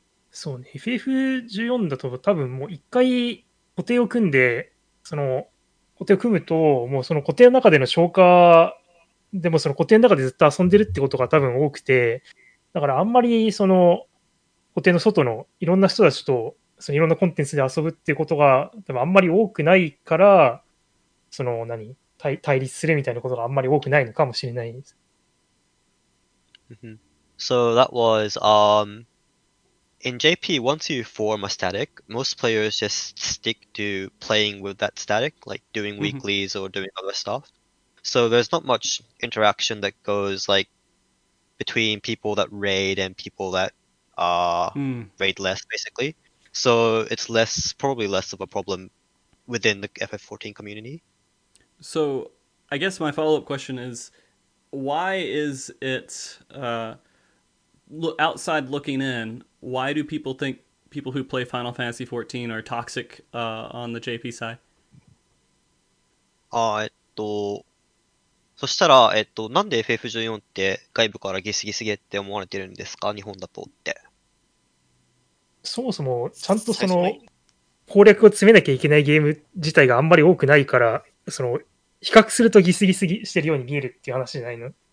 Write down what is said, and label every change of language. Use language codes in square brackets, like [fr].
[ja] そうね、FF14 だと、多分もう一回、固定を組んで、その、固定を組むと、もうその固定の中での消化でも、その固定の中でずっと遊んでるってことが多分多くて、だからあんまりその固定の外のいろんな人たちとそのいろんなコンテンツで遊ぶっていうことが多分あんまり多くないから、その何 対立するみたいなことがあんまり多くないのかもしれないです。 [en] So that was in JP, once you form a static, most players just stick to playing with that static, like doing weeklies or doing other stuff. So there's not much interaction that goes like between people that raid and people that raid less, basically. So it's less, probably less of a problem within the FF14 community. So I guess my follow-up question is, why is it outside looking in, why do people think people who play Final Fantasy XIV are toxic on the JP side? [ja] そしたら、なんで FF14 って外部からギスギスゲって思われてるんですか、日本だとって。そもそも、ちゃんとその攻略を詰めなきゃいけないゲーム自体があんまり多くないから、その比較するとギスギスギしてるように見えるっていう話じゃないの。